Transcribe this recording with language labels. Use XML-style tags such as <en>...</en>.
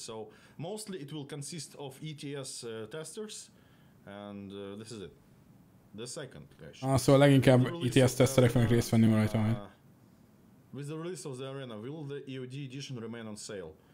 <en>So mostly it will consist of ETS testers, and this is it. The second question.</en> <hu>So leginkább ETS teszterek fognak részt venni rajta majd.</hu> <en>With the release of the arena, will the EOD edition remain on sale?</en>